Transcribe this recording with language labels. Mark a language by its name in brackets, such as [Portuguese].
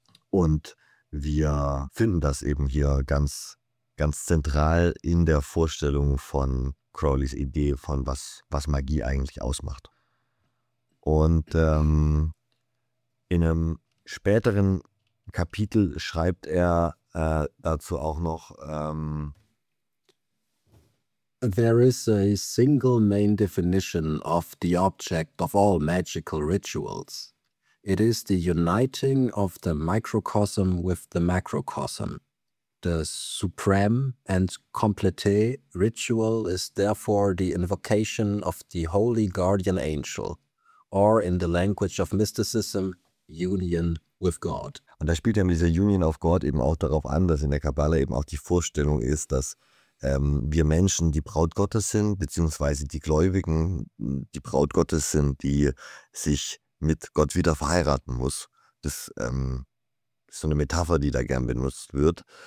[German] Und wir finden das eben hier ganz, ganz zentral in der Vorstellung von Crowleys Idee von was Magie eigentlich ausmacht. Und in einem späteren Kapitel schreibt er dazu auch noch: [English] There is a single main definition of the object of all magical rituals. It is the uniting of the microcosm with the macrocosm. The supreme and complete ritual is therefore the invocation of the holy guardian angel, or in the language of mysticism, union with God. [German] Und da spielt eben diese Union auf Gott eben auch darauf an, dass in der Kabbala eben auch die Vorstellung ist, dass wir Menschen die Braut Gottes sind, beziehungsweise die Gläubigen die Braut Gottes sind, die sich mit Gott wieder verheiraten muss. Das ist so eine Metapher, die da gern benutzt wird.